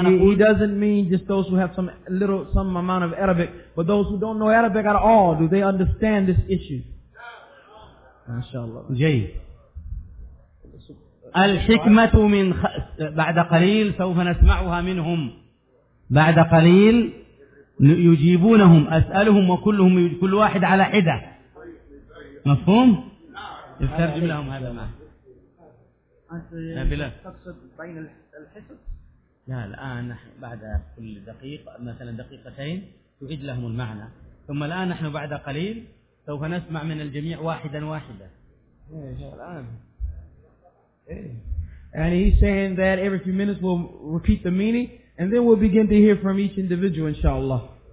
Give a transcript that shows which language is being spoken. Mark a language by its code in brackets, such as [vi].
[en] He doesn't mean just those who have some amount of Arabic, but those who don't know Arabic at all, do they understand this issue? MashaAllah. [ar] جيد. الحكمة من بعد قليل سوف نسمعها منهم بعد قليل يجيبونهم أسألهم وكلهم كل واحد على حدة مفهوم؟ يترجم لهم هذا معه نبيلة تقصد بين الحسب؟ لا الآن نحن بعد كل دقيقة مثلا دقيقتين تعيد لهم المعنى ثم الآن نحن بعد قليل سوف نسمع من الجميع واحدا واحدا الآن [en] And he's saying that every few minutes we'll repeat the meaning and then we'll begin to hear from each individual, inshallah.